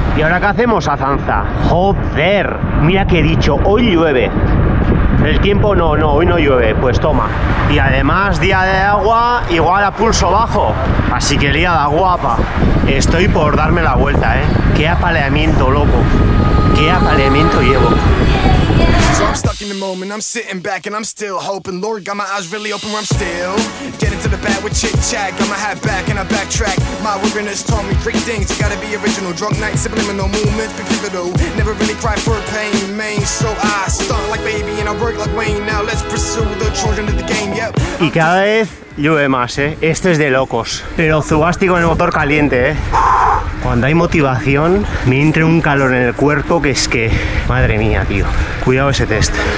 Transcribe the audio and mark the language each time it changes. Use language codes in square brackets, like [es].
[es] ¿Y ahora qué hacemos, Azanza? Joder. Mira que he dicho. Hoy llueve. El tiempo no, hoy no llueve, pues toma. Y además, día de agua, igual a pulso bajo. Así que liada, guapa. Estoy por darme la vuelta, ¿eh? Qué apaleamiento, loco. Qué apaleamiento llevo. [en] So I'm stuck in the moment, I'm sitting back and I'm still hoping. Lord, got my eyes really open where I'm still getting to the bat with chit-chat. Got my hat back and I backtrack. My wilderness taught me great things. You gotta be original. Drunk nights, subliminal movements, be pivotal. Never really cry for pain, main. So I stunt like baby and I work like Wayne. Now let's pursue the children of the game, yep. [es] Y cada vez llueve más, ¿eh? Esto es de locos. Pero Zugasti con el motor caliente, ¿eh? Cuando hay motivación, me entra un calor en el cuerpo que es que... Madre mía, tío. Cuidado ese test.